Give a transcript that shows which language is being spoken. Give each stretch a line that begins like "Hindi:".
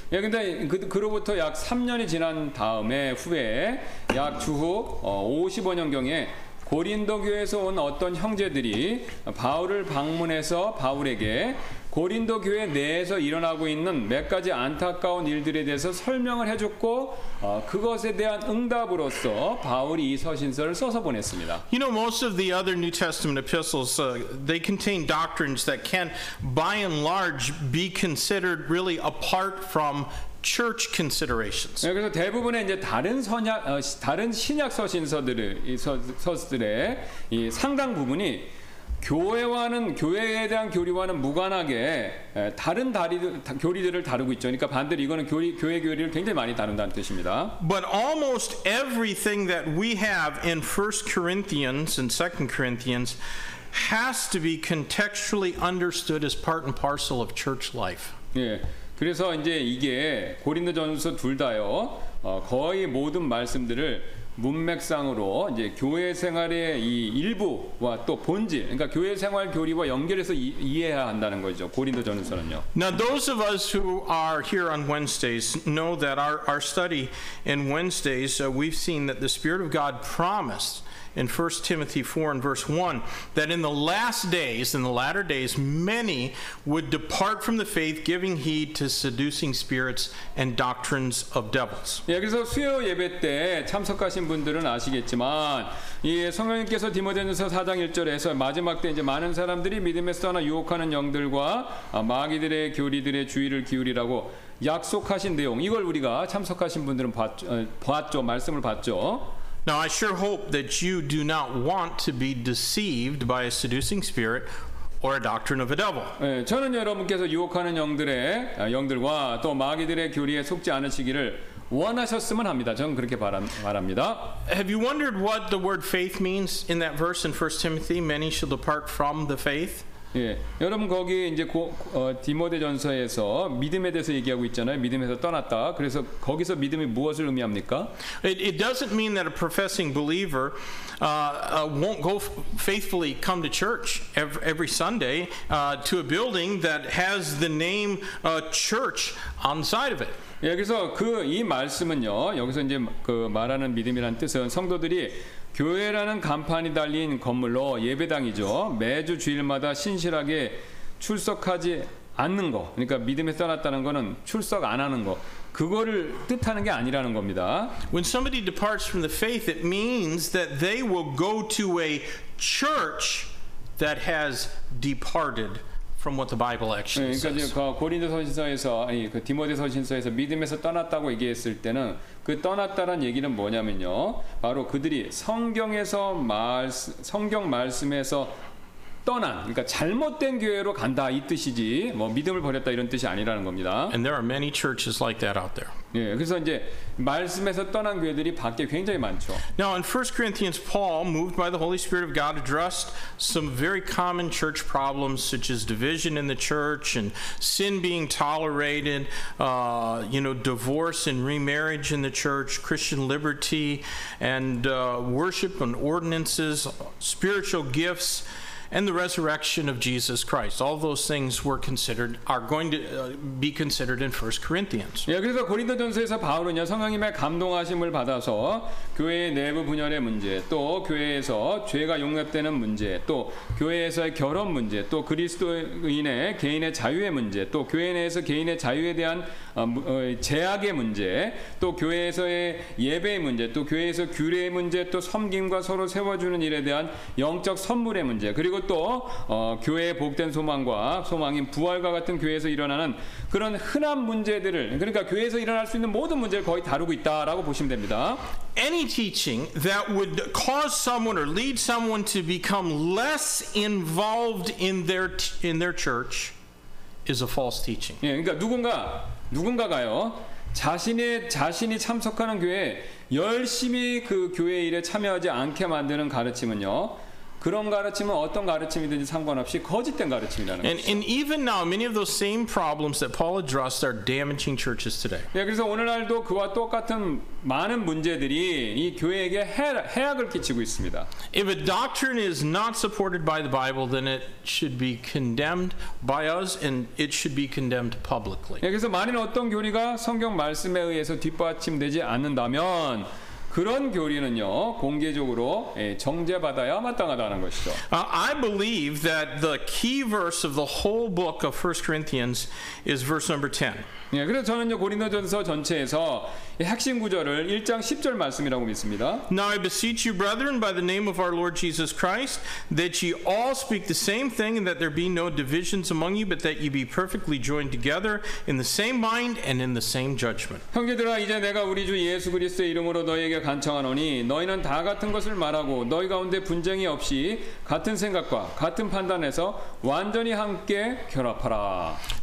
Korean: 예, 근데 그로부터 약 3년이 지난 다음에 후에 약 주후 55년경에 고린도 교회에서 온 어떤 형제들이 바울을 방문해서 바울에게 고린도 교회 내에서 일어나고 있는 몇 가지 안타까운 일들에 대해서 설명을 해줬고 그것에 대한 응답으로서 바울이 이 서신서를 써서 보냈습니다.
English: You know, most of the other New Testament epistles, they contain doctrines that can, by and large, be considered really apart from church considerations.
Korean: 네, 그래서 대부분의 이제 다른 신약 서신서들의 이 상당 부분이 교회와는 교회에 대한 교리와는 무관하게 다른 교리들을 다루고 있죠. 그러니까 반대로 이거는 교회 교리를 굉장히 많이 다룬다는 뜻입니다.
English: But almost everything that we have in 1 Corinthians and 2 Corinthians has to be contextually understood as part and parcel of church life.
Korean: 예. 그래서 이제 이게 고린도전서 둘 다요. 거의 모든 말씀들을 문맥상으로 이제 교회 생활의 이 일부와 또 본질, 그러니까 교회 생활 교리와 연결해서 이해해야 한다는 거죠. 고린도전서는요.
English: Now those of us who are here on Wednesdays know that our study in Wednesdays we've seen that the Spirit of God promised in 1 Timothy 4 and verse 1 that in the last days, in the latter days, many would depart from the faith, giving heed to seducing spirits and doctrines of devils.
Korean: 예, 그래서 수요 예배 때 참석하신 분들은 아시겠지만 이 성령님께서 디모데전서 4장 1절에서 마지막 때 이제 많은 사람들이 믿음에 떠나 유혹하는 영들과 마귀들의 교리들의 주의를 기울이라고 약속하신 내용, 이걸 우리가 참석하신 분들은 봤죠. 말씀을 봤죠.
English: Now I sure hope that you do not want to be deceived by a seducing spirit or a doctrine of a devil.
Korean: 저는 여러분께서 유혹하는 영들과 또 마귀들의 교리에 속지 않으시기를 원하셨으면 합니다. 저는 그렇게 바랍니다.
English: Have you wondered what the word faith means in that verse in 1 Timothy? Many shall depart from the faith.
Korean: 예, 여러분 거기 이제 디모데전서에서 믿음에 대해서 얘기하고 있잖아요. 믿음에서 떠났다. 그래서 거기서 믿음이 무엇을 의미합니까?
English: It doesn't mean that a professing believer won't go faithfully come to church every Sunday to a building that has the name church on the side of it.
Korean: 예, 그래서 그 이 말씀은요. 여기서 이제 그 말하는 믿음이란 뜻은 성도들이 교회라는 간판이 달린 건물로 예배당이죠. 매주 주일마다 신실하게 출석하지 않는 거. 그러니까 믿음에 떠났다는 거는 출석 안 하는 거. 그거를 뜻하는 게 아니라는 겁니다.
English: When somebody departs from the faith, it means that they will go to a church that has departed from what the Bible actually says.
Korean: 그러니까 고린도 서신서에서 아니 그 디모데 서신서에서 믿음에서 떠났다고 얘기했을 때는 그 떠났다는 얘기는 뭐냐면요. 바로 그들이 성경 말씀에서 떠난 그러니까 잘못된 교회로 간다 이 뜻이지 뭐 믿음을 버렸다 이런 뜻이 아니라는 겁니다.
English: And there are many churches like that out there.
Korean: 예, 그래서 이제 말씀에서 떠난 교회들이 밖에 굉장히 많죠.
English: Now in 1 Corinthians, Paul, moved by the Holy Spirit of God, addressed some very common church problems, such as division in the church and sin being tolerated, divorce and remarriage in the church, Christian liberty and worship and ordinances, spiritual gifts. And the resurrection of Jesus Christ. All those things are going to be considered in 1 Corinthians.
Korean: 예, 그래서 고린도전서에서 바울은요, 성령님의 감동하심을 받아서 교회 내부 분열의 문제, 또 교회에서 죄가 용납되는 문제, 또 교회에서의 결혼 문제, 또 그리스도인의 개인의 자유의 문제, 또 교회 내에서 개인의 자유에 대한 제약의 문제, 또 교회에서의 예배의 문제, 또 교회에서 규례의 문제, 또 섬김과 서로 세워주는 일에 대한 영적 선물의 문제, 그리고 또 교회의 복된 소망인 부활과 같은 교회에서 일어나는 그런 흔한 문제들을 그러니까 교회에서 일어날 수 있는 모든 문제를 거의 다루고 있다라고 보시면 됩니다.
English: Any teaching that would cause someone or lead someone to become less involved in their church is a false teaching.
Korean: 예, 그러니까 누군가가요. 자신이 참석하는 교회에 열심히 그 교회 일에 참여하지 않게 만드는 가르침은요. 그런 가르침은 어떤 가르침이든지 상관없이 거짓된 가르침이라는 거죠.
English: And even now, many of those same problems that Paul addressed are damaging churches today.
Korean: 예, 그래서 오늘날도 그와 똑같은 많은 문제들이 이 교회에게 해악을 끼치고 있습니다.
English: If a doctrine is not supported by the Bible, then it should be condemned by us, and it should be condemned publicly.
Korean: 예, 그래서 만일 어떤 교리가 성경 말씀에 의해서 뒷받침되지 않는다면 그런 교리는요 공개적으로 예, 정죄받아야 마땅하다는 것이죠.
English: I believe that the key verse of the whole book of 1 Corinthians is verse number 10.
Korean: 예, 그래서 저는요 고린도전서 전체에서 예, 핵심 구절을 1장 10절 말씀이라고 믿습니다.
English: Now I beseech you, brethren, by the name of our Lord Jesus Christ, that ye all speak the same thing, and that there be no divisions among you, but that ye be perfectly joined together in the same mind and in the same judgment.
Korean: 형제들아, 이제 내가 우리 주 예수 그리스도의 이름으로 너희 간청하노니 너희는 다 같은 것을 말하고 너희 가운데 분쟁이 없이 같은 생각과 같은 판단에서 완전히 함께 결합하라.